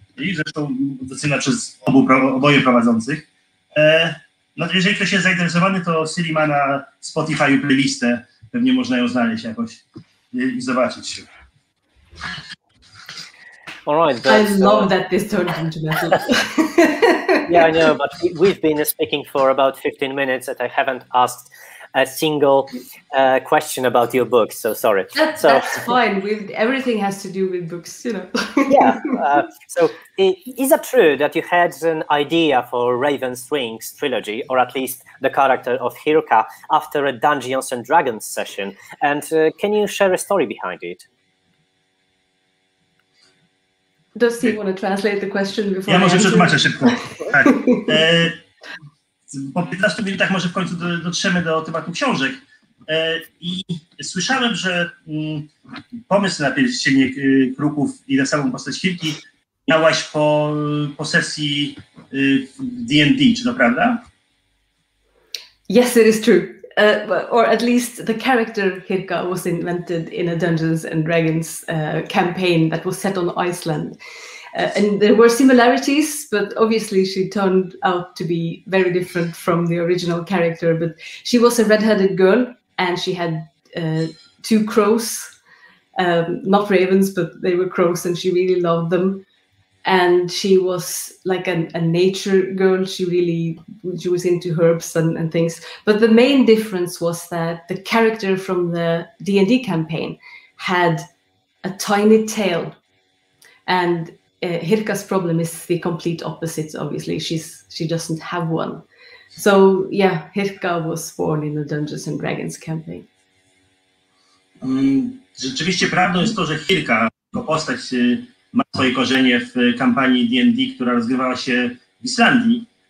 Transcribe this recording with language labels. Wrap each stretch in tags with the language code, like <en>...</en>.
<pl>I zresztą docenia przez oboje prowadzących. No to jeżeli ktoś jest zainteresowany, to Siri ma na Spotify playlistę. Pewnie można ją znaleźć jakoś i zobaczyć.</pl> <en>All right, love that this turned into metal. Yeah, I know, but we've been speaking for about 15 minutes and I haven't asked a single question about your books, so sorry. That's fine. Everything has to do with books, you know. Yeah. So is it true that you had an idea for Raven's Rings trilogy, or at least the character of Hiruka, after a Dungeons & Dragons session? And can you share a story behind it? Does he want to translate the question before I answer? Yeah, I'll try to</en> <pl>Po 15 minutach może w końcu dotrzemy do tematu książek. I słyszałem, że pomysł na pierścienie kruków i na samą postać Hilki miałaś po sesji w D&D, czy to prawda?</pl> <en>Yes, it is true. Or at least the character Hilka was invented in a Dungeons and Dragons campaign that was set on Iceland. And there were similarities, but obviously she turned out to be very different from the original character. But she was a red-headed girl, and she had two crows, not ravens, but they were crows, and she really loved them. and she was like a nature girl. She was into herbs and things. But the main difference was that the character from the D&D campaign had a tiny tail. And Hirka's problem is the complete opposite, obviously. She doesn't have one. So yeah, Hirka was born in the Dungeons and Dragons campaign.</en> <pl>Rzeczywiście prawdą jest to, że Hirka, jako postać, ma swoje korzenie w kampanii D&D, która rozgrywała się w Islandii.</pl>